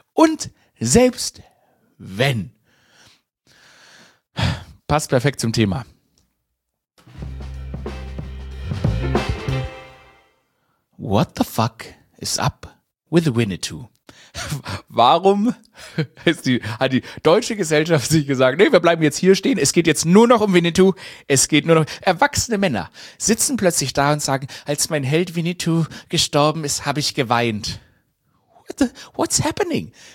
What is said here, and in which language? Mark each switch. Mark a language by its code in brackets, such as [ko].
[de] Und selbst wenn. Passt perfekt zum Thema. [en] What the fuck is up with Winnetou? [de] Warum ist hat die deutsche Gesellschaft sich gesagt, nee, wir bleiben jetzt hier stehen, es geht jetzt nur noch um Winnetou, es geht nur noch, erwachsene Männer sitzen plötzlich da und sagen, als mein Held Winnetou gestorben ist, habe ich geweint. [en] What's happening?